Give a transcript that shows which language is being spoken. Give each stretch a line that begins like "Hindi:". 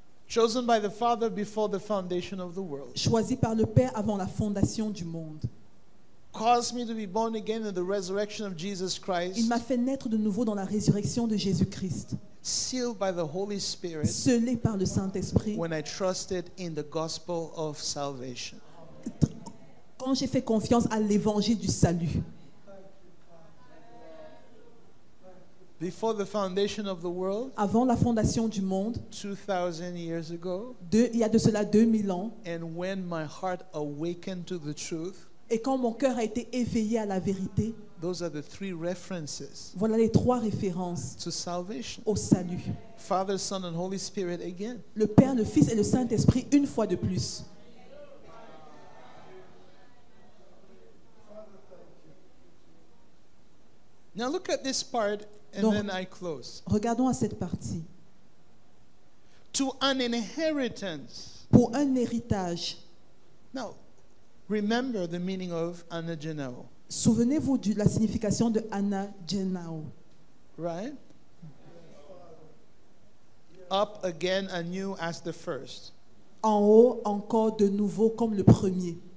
English: Chosen by the Father before the foundation of the world.
French: Choisi par le Père avant la fondation du monde.
English: Caused me to be born again in the resurrection of Jesus Christ.
French: Il m'a fait naître de nouveau dans la résurrection de Jésus-Christ.
English: Sealed by the Holy Spirit.
French: Scellé par le Saint-Esprit.
English: When I trusted in the gospel of salvation.
French: Quand j'ai fait confiance à l'évangile du salut.
English: Before the foundation of the world,
French: avant la fondation du monde,
English: 2000 years ago,
French: il y a de cela 2000 ans,
English: and when my heart awakened to the truth,
French: et quand mon cœur a été éveillé à la vérité,
English: those are the three references,
French: voilà les trois références,
English: to salvation,
French: au salut,
English: Father, Son, and Holy Spirit again,
French: le Père, le Fils et le Saint-Esprit une fois de plus.
English: Now look at this part. And
French: donc,
English: then I close.
French: Regardons à cette partie.
English: To an inheritance.
French: Pour un héritage.
English: Now, remember the meaning of anagenao.
French: Souvenez-vous de la signification de anagenao.
English: Right? Up again anew as the first.
French: En haut encore de nouveau comme le premier.